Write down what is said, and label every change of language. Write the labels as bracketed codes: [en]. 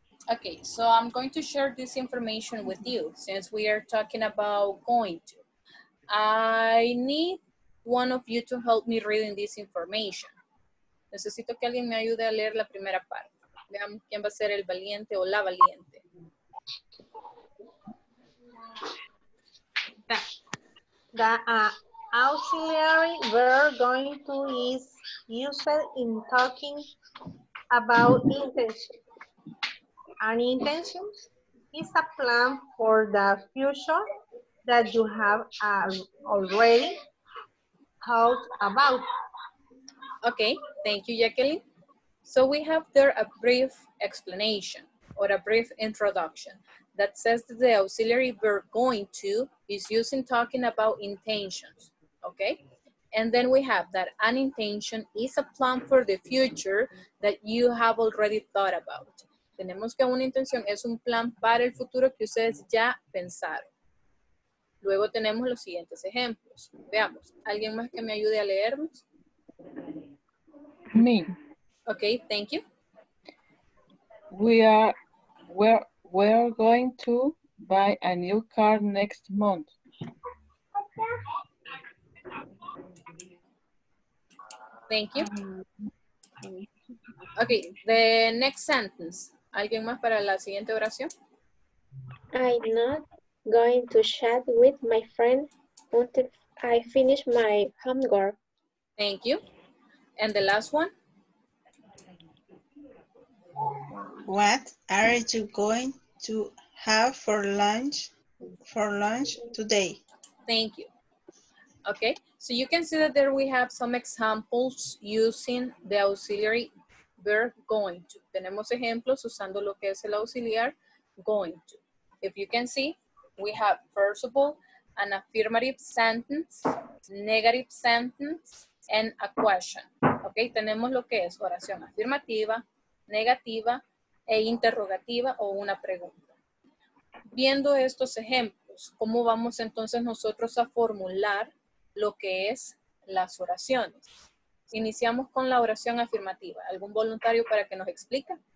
[en] Okay, so I'm going to share this information with you since we are talking about going to. I need one of you to help me reading this information. [es] Necesito que alguien me ayude a leer la primera parte. Veamos quién va a ser el valiente o la valiente. [en] The auxiliary verb going to is used in talking about intention. An intention is a plan for the future that you have already thought about. Okay, thank you, Jacqueline. So we have there a brief explanation or a brief introduction that says that the auxiliary verb going to is used in talking about intentions, okay? And then we have that an intention is a plan for the future that you have already thought about. [es] Tenemos que una intención es un plan para el futuro que ustedes ya pensaron. Luego tenemos los siguientes ejemplos. Veamos. ¿Alguien más que me ayude a leernos? [en] Me. Okay, thank you. We are going to buy a new car next month. Thank you. Okay, the next sentence. [es] ¿Alguien más para la siguiente oración? [en] I'm not going to chat with my friend until I finish my homework. Thank you. And the last one? What are you going to have for lunch today? Thank you. Okay, so you can see that there we have some examples using the auxiliary verb going to. [es] Tenemos ejemplos usando lo que es el auxiliar going to. [en] If you can see, we have, first of all, an affirmative sentence, negative sentence, and a question. [es] Okay, tenemos lo que es oración afirmativa, negativa e interrogativa o una pregunta. Viendo estos ejemplos, ¿cómo vamos entonces nosotros a formular lo que es las oraciones? Iniciamos con la oración afirmativa. ¿Algún voluntario para que nos explique?